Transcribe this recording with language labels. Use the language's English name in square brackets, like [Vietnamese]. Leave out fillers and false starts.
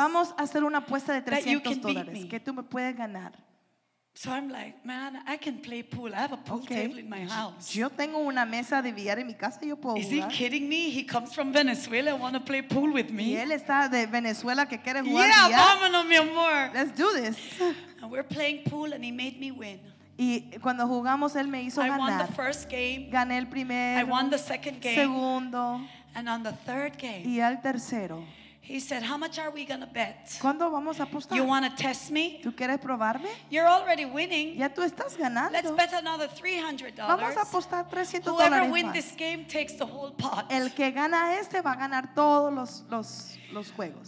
[Spanish] Vamos a hacer una apuesta de $300 que tú me puedes ganar. [English] So I'm like, "Man, I can play pool. I have a pool table in my house." [Spanish] Yo tengo una mesa de billar en mi casa, yo puedo [English] Is [Spanish] jugar. [English] He kidding me? He comes from Venezuela and want to play pool with me. [Spanish] Y él está de Venezuela que quiere jugar [English] yeah, [Spanish] billar. Yeah, vámonos, mi amor. [English] Let's do this. And we're playing pool and he made me win. [Spanish] Y cuando jugamos él me hizo [English] I [Spanish] ganar. [English] I won the first game. [Spanish] Gané el primer. [English] I won the second game. [Spanish] Segundo. [English] And on the third game. [Spanish] Y al tercero. [English] He said, "How much are we going to bet? [Spanish] ¿Cuándo vamos a apostar? [English] You want to test me? [Spanish] ¿Tú quieres probarme? [English] You're already winning. [Spanish] Ya tú estás ganando. [English] Let's bet another $300. [Spanish] Vamos a apostar $300 [English] Whoever wins this game takes the whole pot. [Spanish] El que gana este va a ganar todos los juegos.